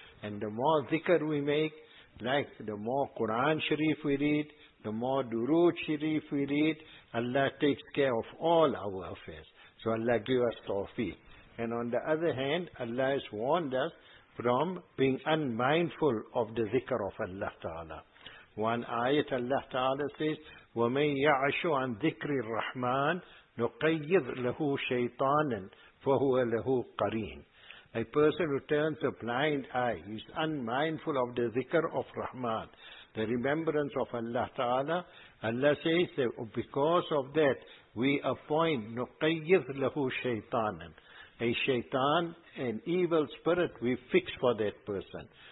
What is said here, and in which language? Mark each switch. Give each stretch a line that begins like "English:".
English: And the more dhikr we make, like the more Quran Sharif we read, the more Durood Sharif we read, Allah takes care of all our affairs. So Allah give us tawfiq. And on the other hand, Allah has warned us from being unmindful of the dhikr of Allah Ta'ala. One ayat Allah Ta'ala says,
Arabic: وَمَنْ يَعَشُ عَنْ ذِكْرِ الرَّحْمَانِ نُقَيِّضْ لَهُ شَيْطَانًا فَهُوَ لَهُ قَرِينٌ.
English: A person who turns a blind eye, he is unmindful of the dhikr of Rahman, the remembrance of Allah Ta'ala. Allah says that because of that, we appoint
Arabic: نُقَيِّضْ لَهُ شَيْطَانًا.
English: A shaitan, an evil spirit, we fix for that person.